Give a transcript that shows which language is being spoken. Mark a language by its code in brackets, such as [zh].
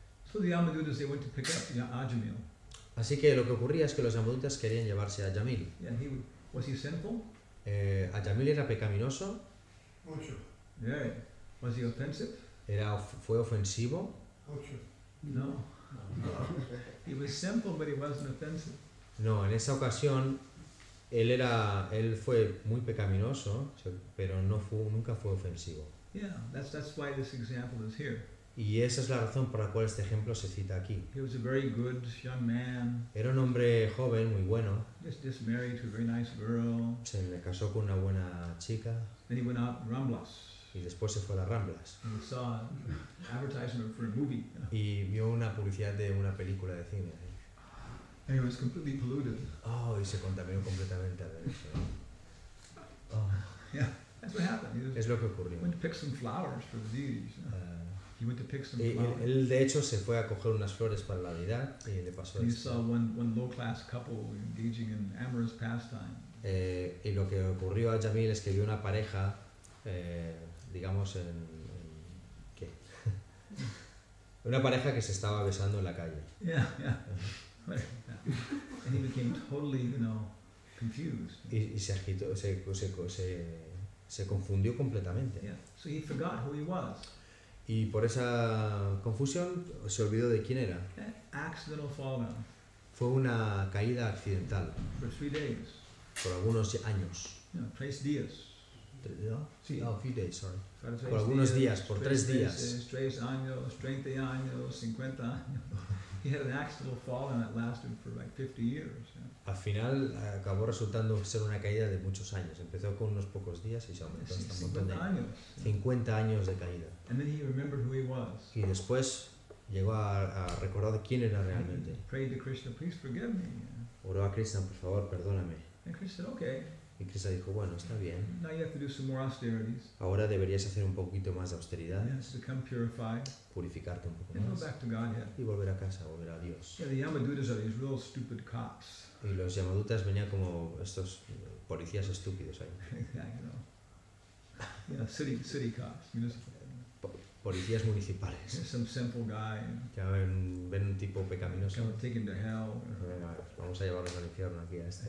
[en] So the Yamadutas, they went to pick up Ajamil. [es] Así que lo que ocurría es que los Yamadutas querían llevarse a Ajamil. [en] Yeah, was he sinful? [es] Ajamil era pecaminoso. Mucho. [en] Yeah. Was he offensive? [es] Fue ofensivo. [en] No. He was simple, but he wasn't offensive. [es] No, en esa ocasión él fue muy pecaminoso, pero nunca fue ofensivo. [en] Yeah, that's why this example is here. [es] Y esa es la razón por la cual este ejemplo se cita aquí. [en] He was a very good young man. [es] Era un hombre joven, muy bueno. [en] Just married to a very nice girl. [es] Se le casó con una buena chica. [en] Then he went out Ramblas. [es] Y después se fue a las Ramblas. [en] And he saw an advertisement for a movie. [es] Y vio una publicidad de una película de cine. [en] And he was completely polluted. [es] Oh, y se contaminó completamente. Oh. [en] Yeah, that's what happened. [es] Es lo que ocurrió. [en] Went to pick some flowers for the deity. He went to pick some flowers. [es] Él de hecho se fue a coger unas flores para la deidad y le pasó [en] esto. He saw one low class couple engaging in amorous pastime. [es] Y lo que ocurrió a Jamil es que vio una pareja digamos en ¿qué? Una pareja que se estaba besando en la calle. [en] Yeah, yeah. And he became totally, you know, confused. [es] Y se agitó, se confundió completamente. [en] Yeah. So he forgot who he was. [es] Y por esa confusión se olvidó de quién era. [en] Accidental fallen. [es] Fue una caída accidental. [en] For 3 days. [es] Por algunos años. Yeah, 3 días. No? Sí. Oh, [en] few days, sorry. [es] Por algunos días, por 3 días. 3 años, 30 años, 50 años. [en] He had an accidental fall and it lasted for like 50 years. [es] Al final acabó resultando ser una caída de muchos años. Empezó con unos pocos días y se aumentó hasta un montón de años. 50 años de caída. [en] And then he remembered who he was. [es] Y después llegó a recordar quién era realmente. [en] Prayed to Krishna, please forgive me. [es] Oró a Krishna, por favor, perdóname. [en] And Krishna said, okay. [es] Y Krishna dijo, bueno, está bien. [en] Now you have to do some more austerities. [es] Ahora deberías hacer un poquito más de austeridad. [en] Yes, to come purified. [es] Purificarte un poco [en] and [es] más. [en] Go back to Godhead. [es] Y volver a casa, volver a Dios. [en] Yeah, the Yamadutas are these real stupid cops. [es] Y los Yamadutas venían como estos policías estúpidos ahí. [en] Yeah, you know. Yeah, city cops, municipal. [es] Policías municipales. [en] Some simple guy. [es] Que ven un tipo pecaminoso. [en] Come take him to hell. [es] Vamos a llevarlos al infierno aquí a este.